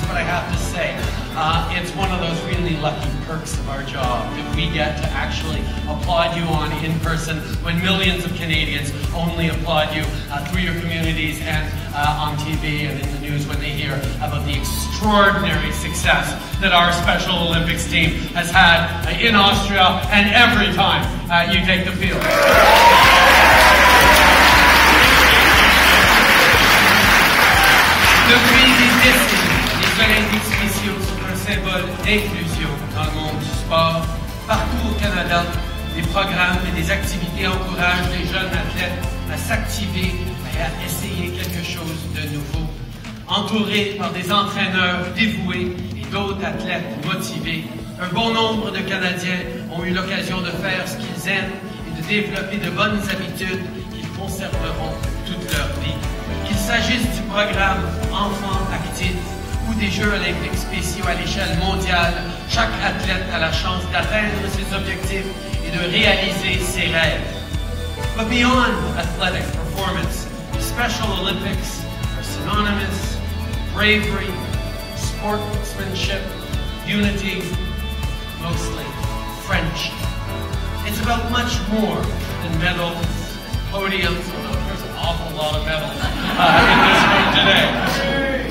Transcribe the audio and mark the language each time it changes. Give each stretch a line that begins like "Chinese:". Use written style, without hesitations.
English: But I have to say, it's one of those really lucky perks of our job that we get to actually applaud you on in person when millions of Canadians only applaud you through your communities and on TV and in the news when they hear about the extraordinary success that our Special Olympics team has had in Austria and every time you take the field.
French: Le pays des destins, les Olympiques spéciaux sont un symbole d'inclusion dans le monde du sport. Partout au Canada, des programmes et des activités encouragent les jeunes athlètes à s'activer et à essayer quelque chose de nouveau. Entourés par des entraîneurs dévoués et d'autres athlètes motivés, un bon nombre de Canadiens ont eu l'occasion de faire ce qu'ils aiment et de développer de bonnes habitudes qu'ils conserveront toute leur vie. Qu'il s'agisse du programme Enfants Actifs ou des Jeux olympiques spéciaux à l'échelle mondiale, chaque athlète a la chance d'atteindre ses objectifs et de réaliser ses rêves.
English: But beyond athletic performance, the Special Olympics are synonymous with bravery, sportsmanship, unity, mostly friendship. It's about much more than medals, podiums, awful lot of metal in this room today.